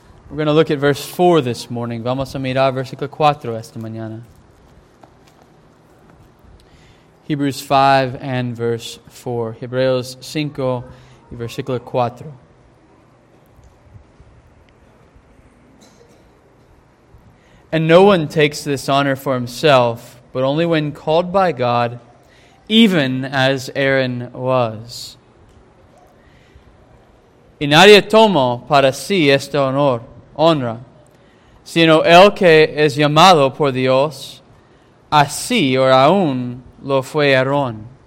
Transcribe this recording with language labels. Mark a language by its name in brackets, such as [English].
[English] We're going to look at verse 4 this morning. [Spanish] Vamos a mirar versículo 4 esta mañana. [English] Hebrews 5 and verse 4. [Spanish] Hebreos 5 y versículo 4. [English] And no one takes this honor for himself, but only when called by God, even as Aaron was. [Spanish] Y nadie toma para sí esta honra, sino el que es llamado por Dios, así o aún lo fue Aarón.